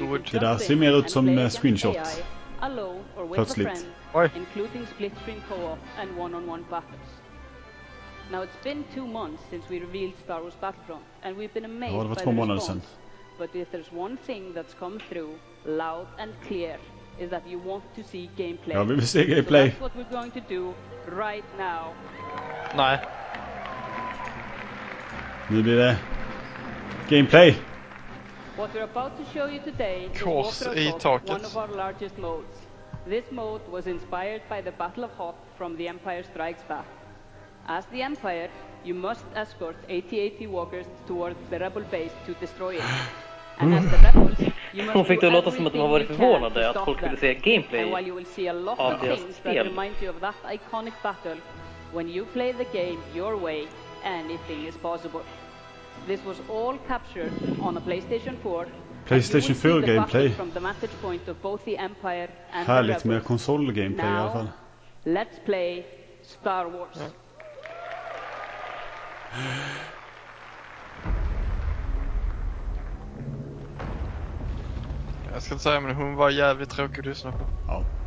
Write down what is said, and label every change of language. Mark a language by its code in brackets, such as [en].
[sv] Det där ser mer ut som screenshot. Plötsligt. [en] Including split screen co-op and one-on-one battles. Now it's been 2 months since we revealed Star Wars Battlefront, and we've been amazed by the response. But if there's one thing that's come through loud and clear, is that you want to see gameplay. [sv] Ja, vi vill se gameplay. [en] So that's what we're going to do right now. [sv] Nej. Nu blir det gameplay. [en] What we're about to show you today course is Water Assault, one of our largest modes. This mode was inspired by the Battle of Hoth from The Empire Strikes Back. As the Empire, you must escort AT-AT walkers towards the Rebel base to destroy it. And as the Rebels, you must [sv] fick det låta som att de har varit förvånade att folk ville se gameplay. [en] And while you will see a lot of things that remind you of that iconic battle, when you play the game your way, anything is possible. This was all captured on a PlayStation 4. PlayStation 4 gameplay. From the vantage point of both the Empire and [sv] härligt med konsol gameplay [en] now, [sv] i alla fall. [en] Let's play Star Wars. Yeah. [sv] Jag ska inte säga, men hon var jävligt tråkig att lyssna på. Ja.